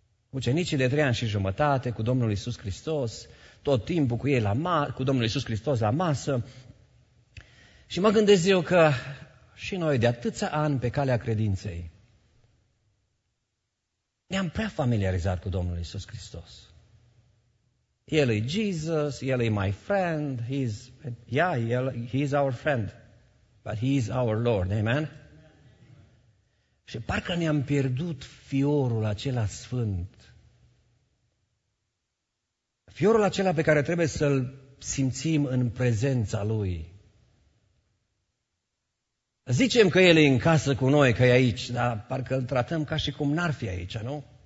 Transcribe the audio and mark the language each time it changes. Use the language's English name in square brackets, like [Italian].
[Romanian] Ucenicii de 3 ani și jumătate cu Domnul Iisus Hristos, tot timpul cu ei la cu Domnul Iisus Hristos la masă. Și mă gândesc eu că și noi de atâția ani pe calea credinței ne-am prea familiarizat cu Domnul Iisus Hristos. El e Jesus, El e [English] my friend, He is our friend, but He is our Lord, amen? [Romanian] Și parcă ne-am pierdut fiorul acela sfânt. Fiorul acela pe care trebuie să-l simțim în prezența Lui. Zicem că El e în casă cu noi, că e aici, dar parcă îl tratăm ca și cum n-ar fi aici, nu?